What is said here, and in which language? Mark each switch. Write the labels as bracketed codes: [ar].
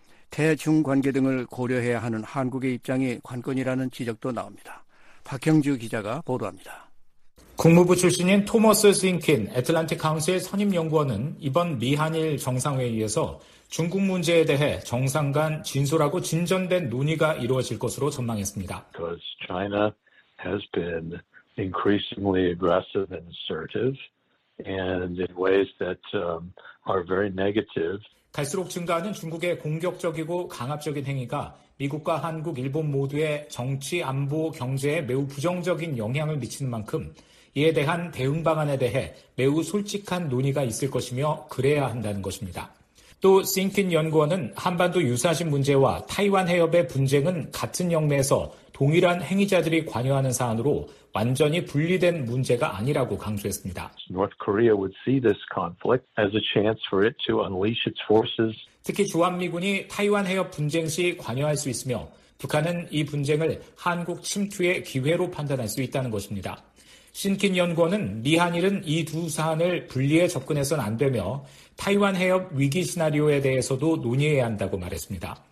[ko] 대중 관계 등을 고려해야 하는 한국의 입장이 관건이라는 지적도 나옵니다. 박형주 기자가 보도합니다. 국무부 출신인 토머스 싱킨 애틀란틱 카운슬 선임연구원은 이번 미한일 정상회의에서 중국 문제에 대해 정상 간 진솔하고 진전된 논의가 이루어질 것으로 전망했습니다. [en] Because China has been increasingly aggressive and assertive and in ways that are very negative. [ko] 갈수록 증가하는 중국의 공격적이고 강압적인 행위가 미국과 한국, 일본 모두의 정치, 안보, 경제에 매우 부정적인 영향을 미치는 만큼 이에 대한 대응 방안에 대해 매우 솔직한 논의가 있을 것이며 그래야 한다는 것입니다. 또 싱킨 연구원은 한반도 유사시 문제와 타이완 해협의 분쟁은 같은 영내에서 동일한 행위자들이 관여하는 사안으로 완전히 분리된 문제가 아니라고 강조했습니다. [en] North Korea would see this conflict as a chance for it to unleash its forces. [ko] 특히 주한미군이 타이완 해협 분쟁 시 관여할 수 있으며 북한은 이 분쟁을 한국 침투의 기회로 판단할 수 있다는 것입니다. 신킨 연구원은 미한일은 이 두 사안을 분리해 접근해서는 안 되며 타이완 해협 위기 시나리오에 대해서도 논의해야 한다고 말했습니다.